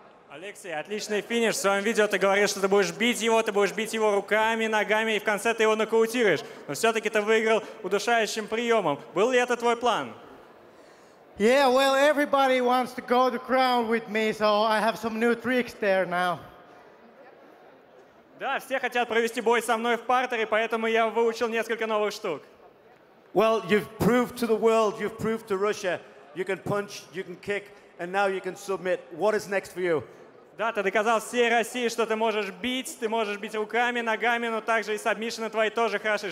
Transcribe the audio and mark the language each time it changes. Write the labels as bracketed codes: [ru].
[ru] Алексей, отличный финиш. В своем видео ты говоришь, что ты будешь бить его руками, ногами, и в конце ты его нокаутируешь. Но все-таки ты выиграл удушающим приемом. Был ли это твой план? [en] Yeah, well, everybody wants to go to crown with me, so I have some new tricks there now. [ru] Да, все хотят провести бой со мной в партере, поэтому я выучил несколько новых штук. [en] Well, you've proved to the world, you've proved to Russia, you can punch, you can kick, and now you can submit. What is next for you? [ru] Да, ты доказал всей России, что ты можешь бить руками, ногами, но также и сабмишины твои тоже хороши.